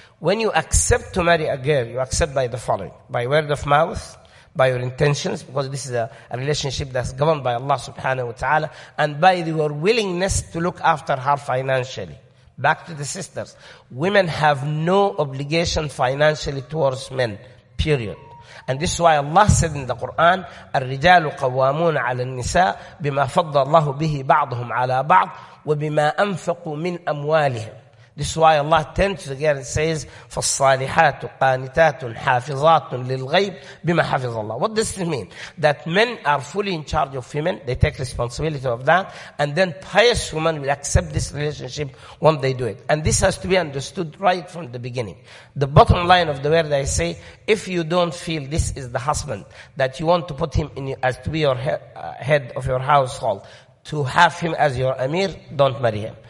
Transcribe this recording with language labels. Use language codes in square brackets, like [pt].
[en] When you accept to marry a girl, you accept by the following, by word of mouth, by your intentions, because this is a relationship that's governed by Allah subhanahu wa ta'ala, and by your willingness to look after her financially. Back to the sisters. Women have no obligation financially towards men, period. And this is why Allah said in the Quran, [ar] الرِّجَالُ قَوَّامُونَ عَلَى النِّسَاءِ بِمَا فَضَّ اللَّهُ بِهِ بَعْضُهُمْ عَلَى بَعْضٍ وَبِمَا أَنفَقُوا مِنْ أَمْوَالِهِمْ. [en] This is why Allah turns to the girl and says, [ar] فَالصَّالِحَاتُ قَانِتَاتٌ حَافِظَاتٌ لِلْغَيْبِ بِمَا حَافِظَ اللَّهُ. [en] What does this mean? That men are fully in charge of women. They take responsibility of that. And then pious women will accept this relationship when they do it. And this has to be understood right from the beginning. The bottom line of the word I say, if you don't feel this is the husband, that you want to put him in as to be your head of your household, to have him as your emir, don't marry him.